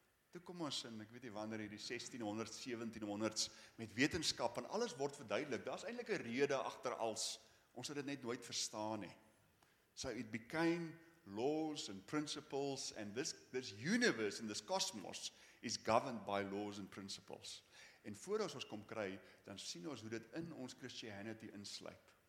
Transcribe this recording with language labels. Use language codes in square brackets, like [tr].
[af] Toe kom ons in, ek weet nie wanneer, hierdie 1600s, 1700s, met wetenskap, en alles word verduidelik, daar is eintlik 'n rede agter als, ons het dit net nooit verstaan nie. [en] So it became laws and principles, and this universe and this cosmos is governed by laws and principles. [af] En voor ons kom kry, dan sien ons hoe dit in ons Christianity insluip.